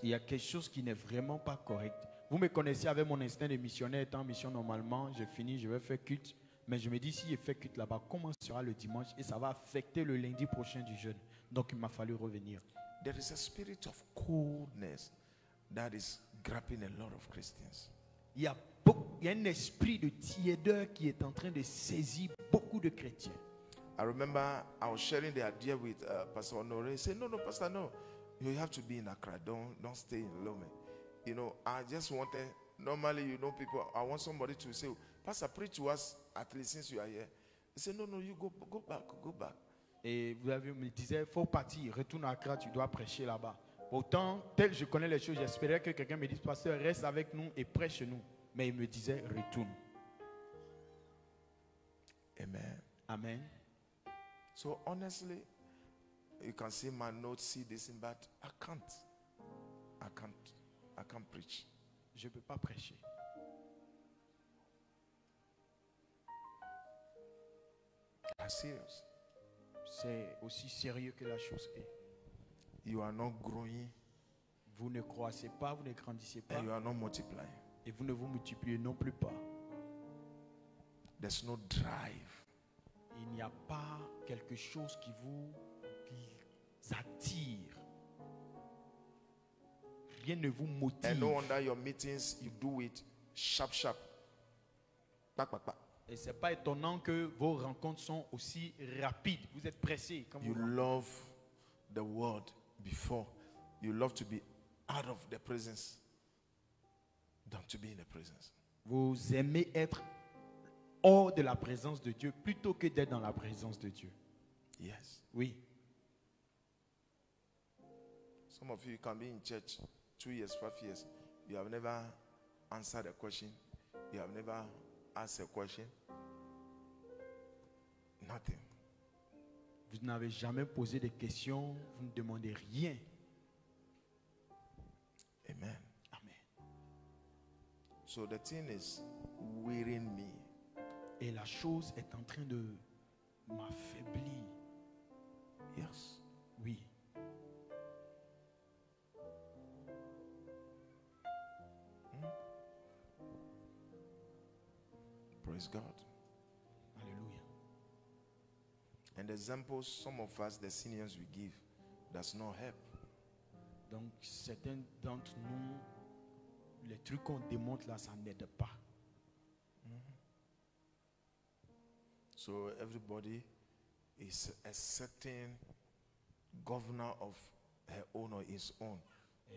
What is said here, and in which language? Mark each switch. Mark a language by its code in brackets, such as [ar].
[fr] Il y a quelque chose qui n'est vraiment pas correct. Vous me connaissez avec mon instinct de missionnaire, étant en mission normalement, je finis, je vais faire culte. Mais je me dis, si je fais culte là-bas, comment sera le dimanche? Et ça va affecter le lundi prochain du jeûne. Donc il m'a fallu revenir. [en] There is a spirit of coldness that is grabbing a lot of Christians. [fr] Il y a Il y a un esprit de tiédeur qui est en train de saisir beaucoup de chrétiens. [en] I remember I was sharing the idea with Pastor Honoré. He said, no, Pastor, no. You have to be in Accra. Don't stay in Lomé. You know, I just wanted, normally, you know, people, I want somebody to say, Pastor, pray to us at least since you are here. He said, no, you go back. [fr] Et vous avez, me disait, faut partir, retourne à Accra, tu dois prêcher là-bas. Pourtant, tel je connais les choses, j'espérais que quelqu'un me dise, Pasteur, reste avec nous et prêche nous. Mais il me disait, retourne. [en] Amen. Amen. So honestly, you can see my notes, see this thing, but I can't preach. [fr] Je peux pas prêcher. [en] I'm serious. [fr] C'est aussi sérieux que la chose est. [en] You are not growing. [fr] Vous ne croissez pas, vous ne grandissez pas. [en] And you are not multiplying. [fr] Et vous ne vous multipliez non plus pas. [en] There's no drive. [fr] Il n'y a pas quelque chose qui vous attire. Rien ne vous motive. [en] And no wonder your meetings, you do it sharp, sharp. Pa, pa, pa. [fr] Et ce n'est pas étonnant que vos rencontres sont aussi rapides. Vous êtes pressés. Comme [en] you love the word before. You love to be out of the presence. Than to be in the presence. [fr] Vous aimez être hors de la présence de Dieu plutôt que d'être dans la présence de Dieu. [en] Yes. [fr] Oui. [en] Some of you can be in church 2 years, 5 years. You have never answered a question. You have never asked a question. Nothing. [fr] Vous n'avez jamais posé de questions. Vous ne demandez rien. [en] Amen. So the thing is wearing me. [fr] Et la chose est en train de m'affaiblir. [en] Yes. [fr] Oui. [en] Praise God. Hallelujah. And the examples some of us, the seniors we give, does not help. [fr] Donc certains d'entre nous, les trucs qu'on démontre là, ça n'aide pas. Mm-hmm. [en] So everybody is a certain governor of her own or his own. Hey.